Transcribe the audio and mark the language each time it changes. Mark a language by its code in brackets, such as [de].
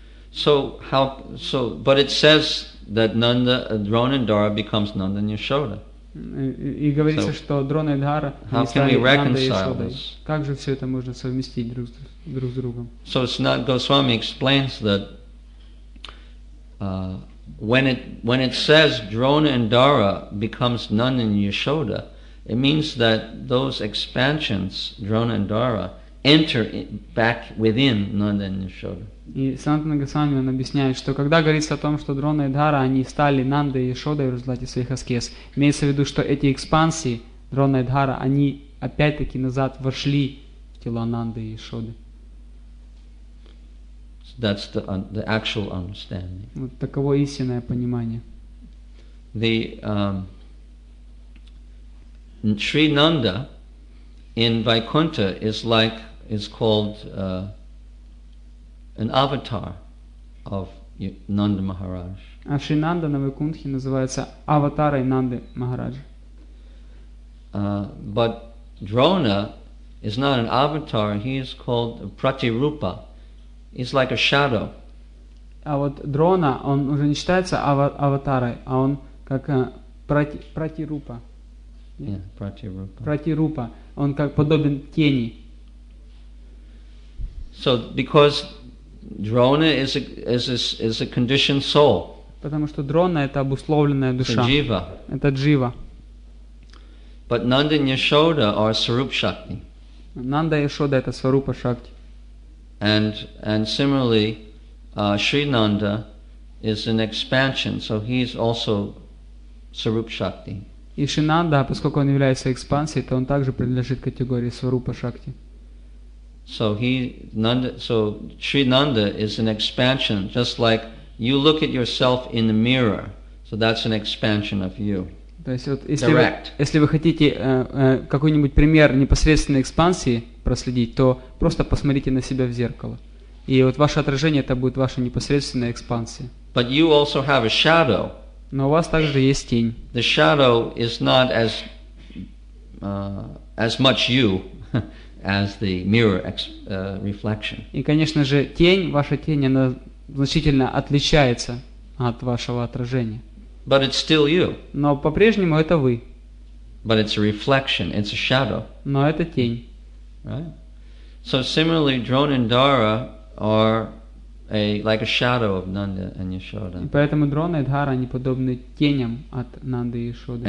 [en] So, but it says that Nanda, Drona and Dhara becomes Nanda and Yashoda. [ru] И говорится, что Дрона и Дхара стали Нанда и Яшодой. Как же все это можно совместить друг с другом? [en] So Sanat Goswami explains that when it says Drona and Dhara becomes Nanda and Yashoda, it means that those expansions, Drona and Dhara, enter back within Nanda and Yashoda. [ru] И Санатана Госвами он объясняет, что когда говорится о том, что Дрона и Дхара, они стали Нандой и Яшодой в результате своих аскез, имеется в виду, что эти экспансии Дрона и Дхара, они опять-таки назад вошли в тело Нанды и Яшоды. [en] So that's the actual understanding. [ru] Вот таково истинное понимание. [en] The Sri Nanda in Vaikuntha is called an avatar of Nanda Maharaj. [ru] А Шри Нанда на Вайкунтхе называется аватарой Нанды Махараджа. [en] But Drona is not an avatar, he is called Pratirupa. He's like a shadow. [ru] А вот Дрона, он уже не считается аватарой, а он как Пратирупа. Пратирупа. Он как подобен тени. So because Drona is a conditioned soul. Потому что Дрона это обусловленная душа. Джива. Это джива. [en] But Nanda and Yashoda are Swarup Shakti. [ru] Нанда и Яшода это Сварупа Шакти. [en] And similarly, Sri Nanda is an expansion, so he is also Swarup Shakti. [ru] И Шри Нанда, поскольку он является экспансией, то он также принадлежит категории Сварупа Шакти. [en] So Sri Nanda is an expansion, just like you look at yourself in the mirror. So that's an expansion of you. [ru] То есть вот если вы хотите какой-нибудь пример непосредственной экспансии проследить, то просто посмотрите на себя в зеркало, и вот ваше отражение это будет ваша непосредственная экспансия. [en] But you also have a shadow. [ru] Но у вас также есть тень. [en] The shadow is not as much you. As the mirror reflection. [ru] И, конечно же, тень, ваша тень, она значительно отличается от вашего отражения. [en] But it's still you. [ru] Но по-прежнему это вы. [en] But it's a reflection, it's a shadow. [ru] Но это тень. [en] Right? So similarly, Drona and Dara are a like a shadow of Nanda and Yashoda. [ru] И поэтому Дрона и Дхара они подобны теням от Нанды и Яшоды.